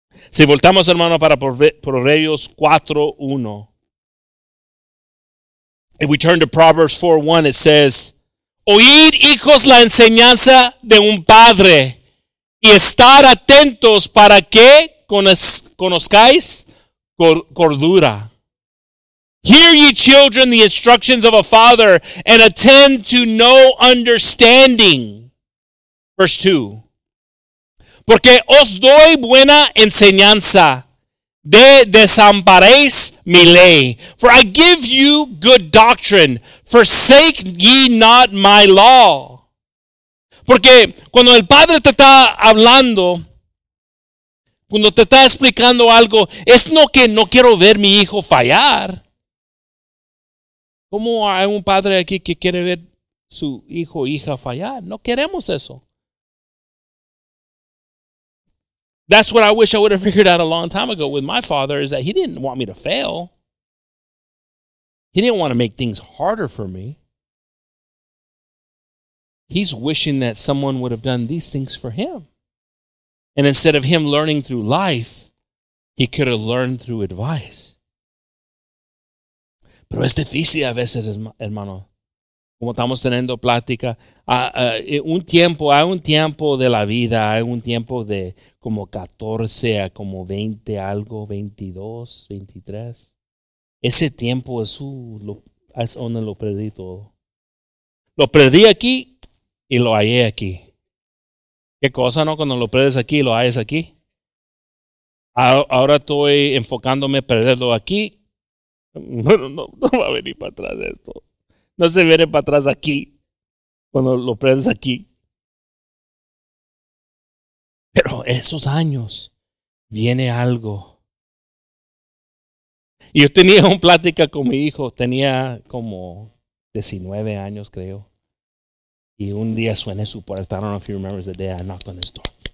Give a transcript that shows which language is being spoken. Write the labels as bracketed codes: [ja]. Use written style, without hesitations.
[es] Si voltamos, hermano, para Proverbios 4:1. [en] If we turn to Proverbs 4:1, it says, [es] oíd, hijos, la enseñanza de un padre, y estar atentos para que conozcáis cordura. [en] Hear ye, children, the instructions of a father, and attend to no understanding. Verse 2. [es] Porque os doy buena enseñanza, de desamparéis mi ley. [en] For I give you good doctrine, forsake ye not my law. [es] Porque cuando el padre te está hablando, cuando te está explicando algo, es no que no quiero ver mi hijo fallar. ¿Cómo hay un padre aquí que quiere ver su hijo o hija fallar? No queremos eso. [en] That's what I wish I would have figured out a long time ago with my father, is that he didn't want me to fail. He didn't want to make things harder for me. He's wishing that someone would have done these things for him. And instead of him learning through life, he could have learned through advice. [es] Pero es difícil a veces, hermano. Como estamos teniendo plática, hay un tiempo de la vida, hay un tiempo de como 14 a como 20 algo, 22, 23. Ese tiempo es donde lo perdí todo. Lo perdí aquí y lo hallé aquí. ¿Qué cosa, no? Cuando lo perdes aquí y lo hallas aquí. Ahora estoy enfocándome a perderlo aquí. No va a venir para atrás esto. No se viene para atrás aquí, cuando lo prendes aquí. Pero esos años, viene algo. Y yo tenía una plática con mi hijo, tenía como 19 años, creo. Y un día suené su puerta. [en] I don't know if he remembers the day I knocked on his door.